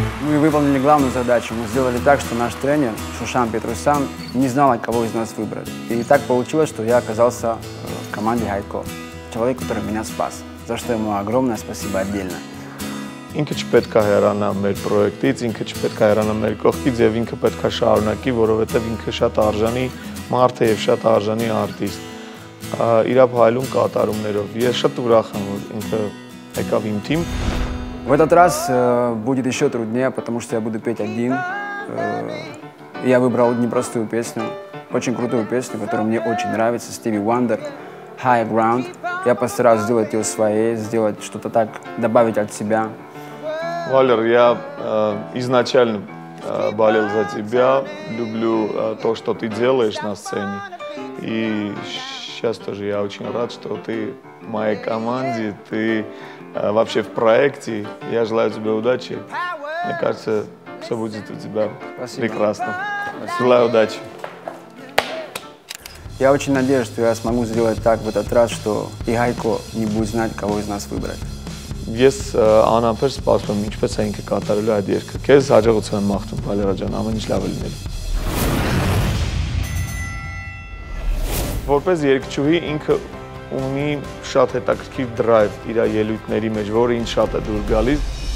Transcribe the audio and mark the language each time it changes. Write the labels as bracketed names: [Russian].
[Russian] Мы выполнили главную задачу. Мы сделали так, что наш тренер Шушан Петрусян не знал, кого из нас выбрать. И так получилось, что я оказался в команде Хайко. Человек, который меня спас. За что ему огромное спасибо отдельно. [Armenian] Ինքը չպետք է հեռանա մեր պրոյեկտից, ինքը չպետք է հեռանա մեր կողքից և ինքը պետք է շարունակի, որովհետև ինքը շատ արժանի մարդ է և շատ արժանի արտիստ, իր փայլուն կատարումներով։ Ես շատ ուրախ եմ, որ ինքը եկավ իմ թիմ։ [Russian] В этот раз будет еще труднее, потому что я буду петь один. Я выбрал непростую песню, очень крутую песню, которая мне очень нравится, Stevie Wonder. High ground. Я постараюсь сделать ее своей, сделать что-то так, добавить от себя. Валер, я изначально болел за тебя, люблю то, что ты делаешь на сцене. И сейчас тоже я очень рад, что ты в моей команде, ты вообще в проекте. Я желаю тебе удачи. Мне кажется, все будет у тебя прекрасно. Спасибо. Желаю удачи. Я очень надеюсь, что я смогу сделать так в этот раз, что и Хайко не будет знать, кого из нас выбрать. [Armenian] Ես անապես սպասում եմ, ինչպես է ինքը կատարելու այդ երգը։ Քեզ հաջողություն եմ մաղթում, Վալերա ջան, ամեն ինչ լավ լինի։ Որպես երգչուհի ինքը ունի շատ հետաքրքիր drive իր ելույթների մեջ, որը ինձ շատ է դուր գալիս։